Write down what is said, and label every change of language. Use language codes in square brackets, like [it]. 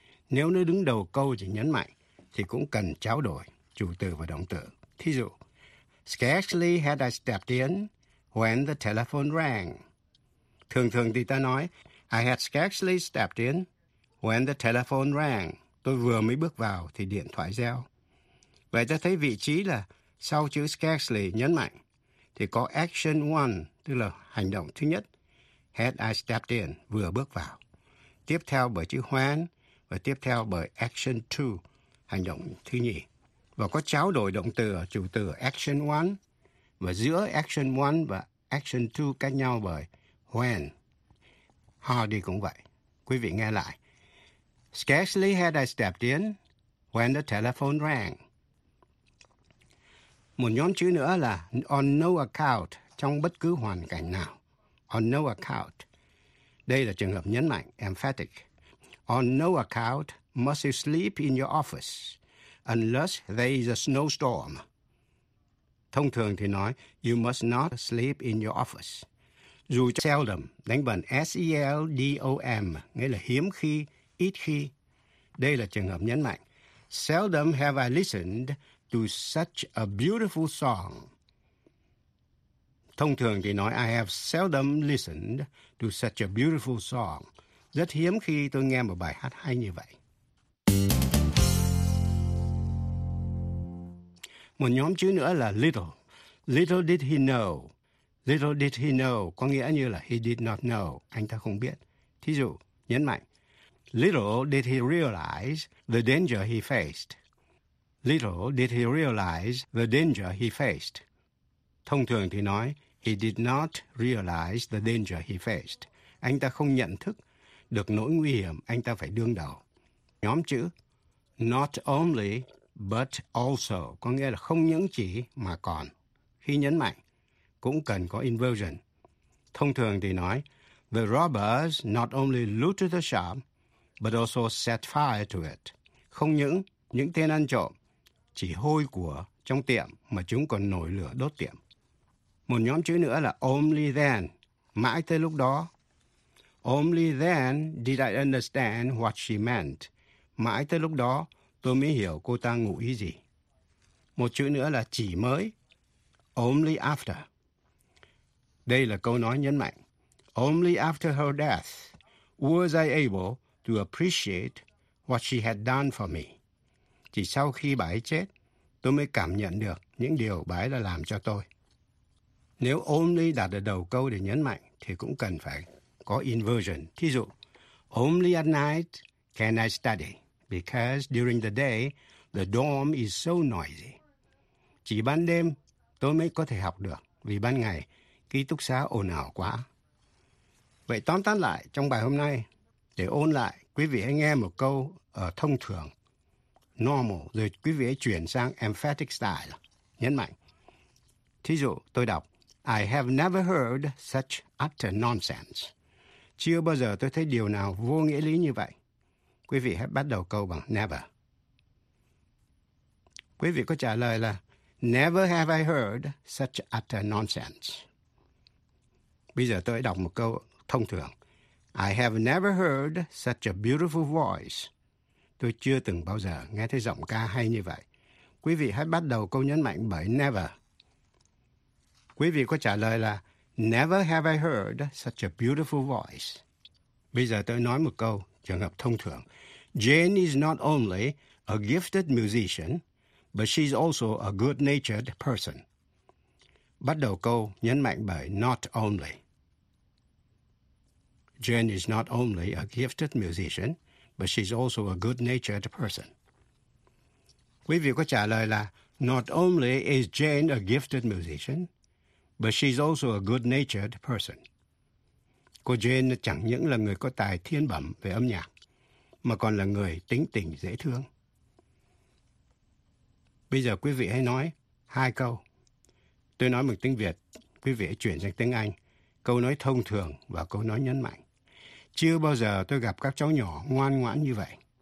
[vi] Nếu nó đứng đầu câu chỉ nhấn mạnh thì cũng cần trao đổi chủ từ và động từ. Thí dụ, [en] scarcely had I stepped in when the telephone rang. [vi] Thường thường thì ta nói, [en] I had scarcely stepped in when the telephone rang. [vi] Tôi vừa mới bước vào thì điện thoại reo. Vậy ta thấy vị trí là sau chữ scarcely nhấn mạnh thì có action one, tức là hành động thứ nhất, [en] had I stepped in, [vi] vừa bước vào, tiếp theo bởi chữ when và tiếp theo bởi action two, hành động thứ nhì, và có trao đổi động từ ở chủ từ action one và giữa action one và action two cách nhau bởi when. Hardy cũng vậy. Quý vị nghe lại. [en] Scarcely had I stepped in when the telephone rang. [vi] Một nhóm chữ nữa là on no account, trong bất cứ hoàn cảnh nào. [en] On no account. [vi] Đây là trường hợp nhấn mạnh, [en] emphatic. On no account must you sleep in your office. unless there is a snowstorm. [vi] Thông thường thì nói, [en] you must not sleep in your office. [vi] Dù seldom, đánh bằng S-E-L-D-O-M, nghĩa là hiếm khi, ít khi. Đây là trường hợp nhấn mạnh. [en] Seldom have I listened to such a beautiful song. [vi] Thông thường thì nói, [en] I have seldom listened to such a beautiful song. [vi] Rất hiếm khi tôi nghe một bài hát hay như vậy. Một nhóm chữ nữa là little. [en] Little did he know. Little did he know [vi] có nghĩa như là [en] he did not know. [vi] Anh ta không biết. Thí dụ, nhấn mạnh. [en] Little did he realize the danger he faced. Little did he realize the danger he faced. [vi] Thông thường thì nói, [en] he did not realize the danger he faced. [vi] Anh ta không nhận thức được nỗi nguy hiểm anh ta phải đương đầu. Nhóm chữ, not only but also, có nghĩa là không những chỉ mà còn. Khi nhấn mạnh, cũng cần có inversion. Thông thường thì nói, [en] the robbers not only looted the shop, but also set fire to it. [vi] Không những tên ăn trộm, chỉ hôi của trong tiệm mà chúng còn nổi lửa đốt tiệm. Một nhóm chữ nữa là [en] only then, [vi] mãi tới lúc đó. [en] Only then did I understand what she meant. [vi] Mãi tới lúc đó, tôi mới hiểu cô ta ngụ ý gì. Một chữ nữa là chỉ mới. [en] Only after. [vi] Đây là câu nói nhấn mạnh. [en] Only after her death was I able to appreciate what she had done for me. [vi] Chỉ sau khi bà ấy chết, tôi mới cảm nhận được những điều bà ấy đã làm cho tôi. Nếu only đặt ở đầu câu để nhấn mạnh, thì cũng cần phải có inversion. Thí dụ, [en] only at night can I study, because during the day, the dorm is so noisy. [vi] Chỉ ban đêm, tôi mới có thể học được, vì ban ngày, ký túc xá ồn ào quá. Vậy tóm tắt lại trong bài hôm nay, để ôn lại, quý vị hãy nghe một câu ở thông thường, normal, rồi quý vị hãy chuyển sang emphatic style, nhấn mạnh. Thí dụ, tôi đọc, [en] I have never heard such utter nonsense. [vi] Chưa bao giờ tôi thấy điều nào vô nghĩa lý như vậy. Quý vị hãy bắt đầu câu bằng never. Quý vị có trả lời là [en] never have I heard such utter nonsense. [vi] Bây giờ tôi đọc một câu thông thường. [en] I have never heard such a beautiful voice. [vi] Tôi chưa từng bao giờ nghe thấy giọng ca hay như vậy. Quý vị hãy bắt đầu câu nhấn mạnh bởi never. Quý vị có trả lời là [en] never have I heard such a beautiful voice. [vi] Bây giờ tôi nói một câu, trường hợp thông thường. [en] Jane is not only a gifted musician, but she's also a good-natured person. [vi] Bắt đầu câu nhấn mạnh bởi not only. [en] Jane is not only a gifted musician, but she's also a good-natured person. [vi] Quý vị có trả lời là [en] not only is Jane a gifted musician, but she's also a good-natured person. [vi] Cô Jane chẳng những là người có tài thiên bẩm về âm nhạc, mà còn là người tính tình dễ thương. Bây giờ quý vị hãy nói hai câu. Tôi nói bằng tiếng Việt, quý vị hãy chuyển sang tiếng Anh. Câu nói thông thường và câu nói nhấn mạnh. Chưa bao giờ tôi gặp các cháu nhỏ ngoan ngoãn như vậy.